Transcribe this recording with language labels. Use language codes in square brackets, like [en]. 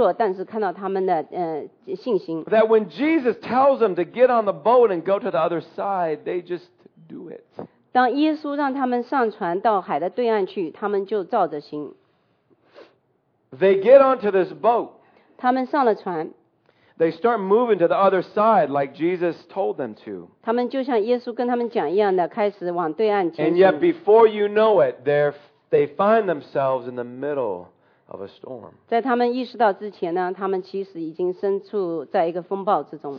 [zh] 你可以看到，虽然是微弱，但是看到他们的信心。 [en] That when Jesus tells them to get on the boat and go to the other side, they just do it. [zh] 当耶稣让他们上船到海的对岸去，他们就照着行。 [en] They get onto this boat. [zh] 他们上了船。 [en] They start moving to the other side like Jesus told them to. [zh] 他们就像耶稣跟他们讲一样的，开始往对岸前行。 [en] And yet before you know it, they find themselves in the middle of a storm. [zh] 在他们意识到之前呢，他们其实已经身处在一个风暴之中。